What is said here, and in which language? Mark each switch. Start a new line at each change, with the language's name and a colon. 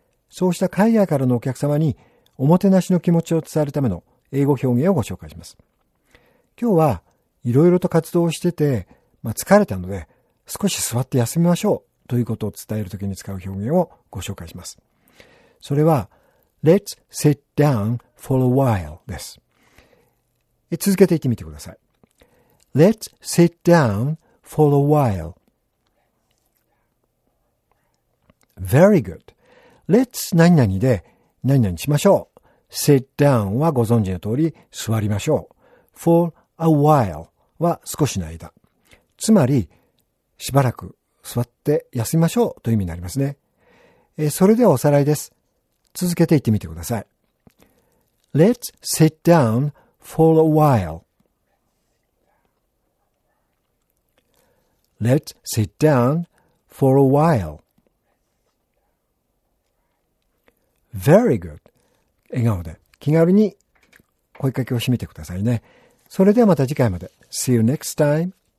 Japanese: そうした海外からのお客様におもてなしの気持ちを伝えるための英語表現をご紹介します。今日はいろいろと活動をしてて、疲れたので少し座って休みましょうということを伝えるときに使う表現をご紹介します。それは
English: Let's sit down for a while
Japanese: です。続けていってみてください。
English: Let's sit down for a while. Very good.
Japanese: Let's 何々で何々しましょう。Sit down はご存知の通り座りましょう。
English: For a while
Japanese: は少しの間。つまりしばらく座って休みましょうという意味になりますね。それではおさらいです。続けていってみてください。
English: Let's sit down for a while. Let's sit down for a while. Very good.
Japanese: 笑顔で気軽に声かけを締めてくださいね。それではまた次回まで。
English: See you next time.